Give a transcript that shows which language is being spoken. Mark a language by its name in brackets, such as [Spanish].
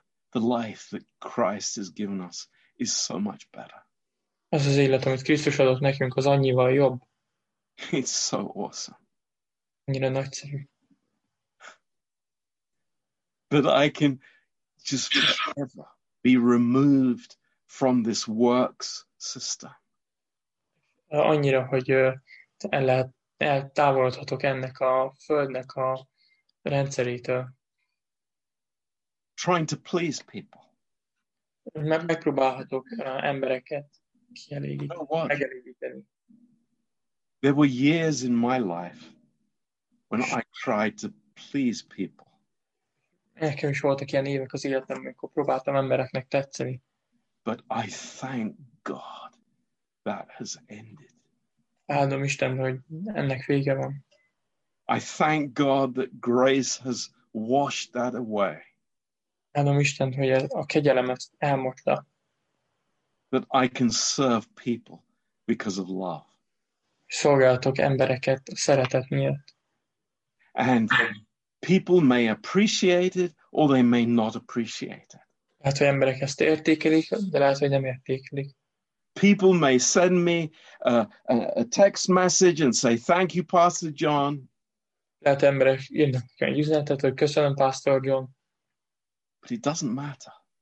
[English] The life that Christ has given us is so much better. [Hungarian] Az az élet, amit Krisztus adott nekünk, az annyival jobb. [English] It's so awesome. [Hungarian] Annyira nagyszerű. [English] But I can just forever be removed from this works system. [Hungarian] Annyira, hogy eltávolodhatok ennek a földnek a rendszerétől. [English] Trying to please people. [Hungarian] Megpróbálhatok embereket megelégíteni. [English] There were years in my life when I tried to please people. [Hungarian] Nekem is voltak ilyen évek az életem, amikor próbáltam embereknek tetszeni. [English] But I thank God that has ended. [Hungarian] Áldom Isten, hogy ennek vége van. [English] I thank God that grace has washed that away. [Hungarian] Áldom Isten, hogy a kegyelem ezt elmosta. [English] That I can serve people because of love. [Hungarian] Szolgáltok embereket szeretet miatt. [English] And people may appreciate it, or they may not appreciate it. [Hungarian] Lehet, hogy emberek ezt értékelik, de lehet, hogy nem értékelik. [English] People may send me a text message and say, thank you, Pastor John. [Hungarian] Lehet, emberek írnak egy üzenetet, hogy köszönöm, Pastor John. [English] But it doesn't matter.